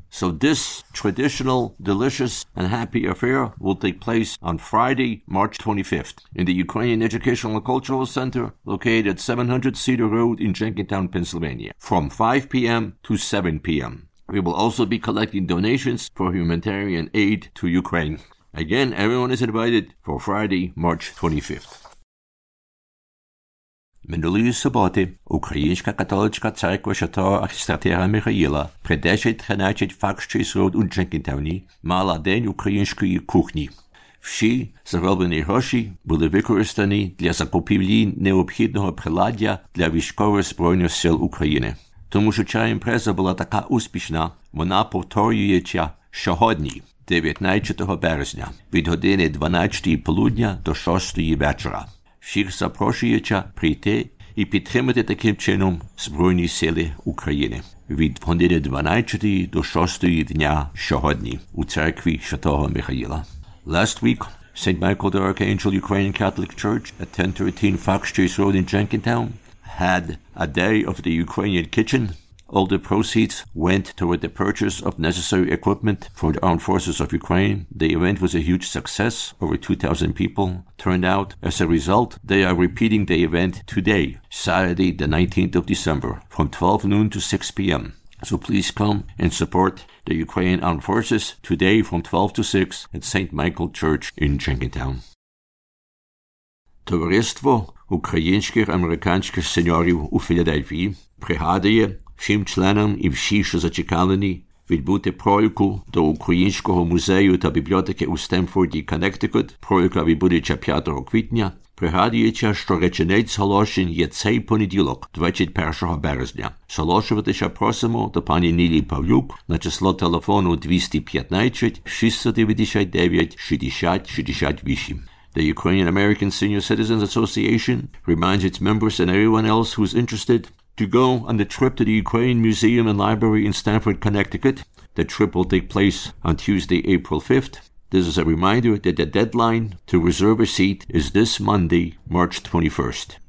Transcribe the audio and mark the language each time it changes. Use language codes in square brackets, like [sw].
[en] So this traditional, delicious, and happy affair will take place on Friday, March 25th in the Ukrainian Educational and Cultural Center located at 700 Cedar Road in Jenkintown, Pennsylvania, from 5 p.m. to 7 p.m. We will also be collecting donations for humanitarian aid to Ukraine. Again, everyone is invited for Friday, March 25th. [uk] Минулої суботи Українська католицька церква Святого Архістратига Михаїла при 10-13 Факшчий Сроуд у Дженкінтауні мала День української кухні. Всі зароблені гроші були використані для закупівлі необхідного приладдя для військових збройних сил України. Тому що ця імпреза була така успішна, вона повторюється сьогодні, 19 березня, від години 12 полудня до 6 вечора. Всіх запрошується прийти і підтримати таким чином Збройні сили України від години 12 до 6 дня сьогодні у церкві Святого Михаїла. [en] Last week, St. Michael the Archangel Ukrainian Catholic Church at 1013 Fox Chase Road in Jenkintown had a day of the Ukrainian kitchen, All the proceeds went toward the purchase of necessary equipment for the armed forces of Ukraine. The event was a huge success. Over 2,000 people turned out. As a result, they are repeating the event today, Saturday, the 19th of December, from 12 noon to 6 p.m. So please come and support the Ukrainian armed forces today from 12 to 6 at St. Michael Church in Jenkintown. [uk] Товариство українських американських сеньорів у Філадельфії пригадує всім членам і всі, що зачекалені, відбути пройку до Українського музею та бібліотеки у Стемфорді, Коннектикут, пройка відбудеться 5 квітня, пригадуючи, що реченець оголошень є цей понеділок, 21 березня. Оголошуватися просимо до пані Нілі Павлюк на число телефону 215-699-6068. [en] The Ukrainian American Senior Citizens Association reminds its members and everyone else who is interested to go on the trip to the Ukrainian Museum and Library in Stamford, Connecticut. The trip will take place on Tuesday, April 5th. This is a reminder that the deadline to reserve a seat is this Monday, March 21st.